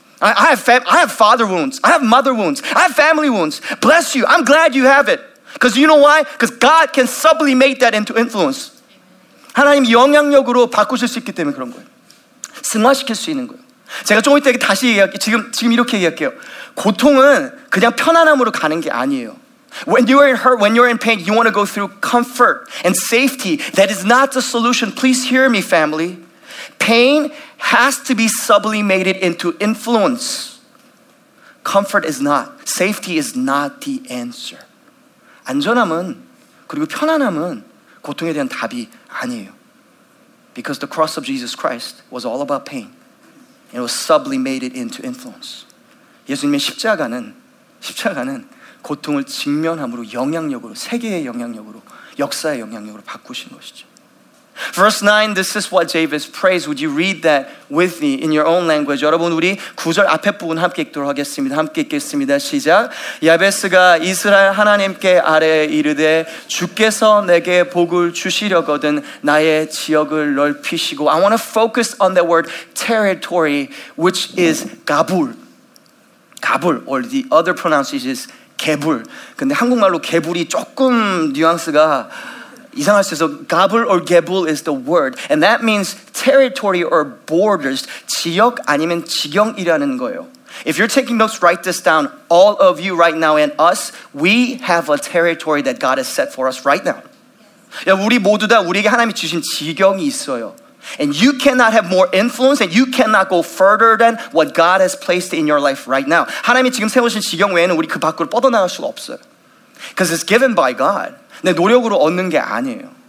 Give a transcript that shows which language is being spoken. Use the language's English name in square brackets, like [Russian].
[English] I have father wounds. I have mother wounds. I have family wounds. Bless you. I'm glad you have it. Because you know why? Because God can sublimate that into influence. [Korean] 하나님 영향력으로 바꾸실 수 있기 때문에 그런 거예요. 승화시킬 수 있는 거예요. 제가 조금 이따 다시 얘기할게요. 지금 이렇게 얘기할게요. 고통은 그냥 편안함으로 가는 게 아니에요. [English] When you are hurt, when you are in pain, you want to go through comfort and safety. That is not the solution. Please hear me, family. Pain has to be sublimated into influence. Comfort is not. Safety is not the answer. [Korean] 안전함은 그리고 편안함은 고통에 대한 답이 아니에요. [English] Because the cross of Jesus Christ was all about pain. It was sublimated into influence. [Korean] 예수님의 십자가는 고통을 직면함으로 영향력으로, 세계의 영향력으로, 역사의 영향력으로 바꾸신 것이죠. [English] Verse 9, this is what Jabez prays. Would you read that with me in your own language? [Korean] 여러분, 우리 9절 앞에 부분 함께 읽도록 하겠습니다. 함께 읽겠습니다. 시작. 야베스가 이스라엘 하나님께 아뢰 이르되 주께서 내게 복을 주시려거든 나의 지역을 넓히시고. [English] I want to focus on that word territory, which is 가불. 가불, or the other pronunciation is 개불. [Korean] 근데 한국말로 개불이 조금 뉘앙스가 이상할 수 있어. [English] 가불 or 개불 is the word. And that means territory or borders. [Korean] 지역 아니면 지경이라는 거예요. [English] If you're taking notes, write this down. All of you right now and us, we have a territory that God has set for us right now. [Korean] Yeah, 우리 모두 다 우리에게 하나님이 주신 지경이 있어요. [English] And you cannot have more influence and you cannot go further than what God has placed in your life right now. [Korean] 하나님이 지금 세우신 지경 외에는 우리 그 밖으로 뻗어나갈 수가 없어요. [English] Because it's given by God. [Korean] 내 노력으로 얻는 게 아니에요.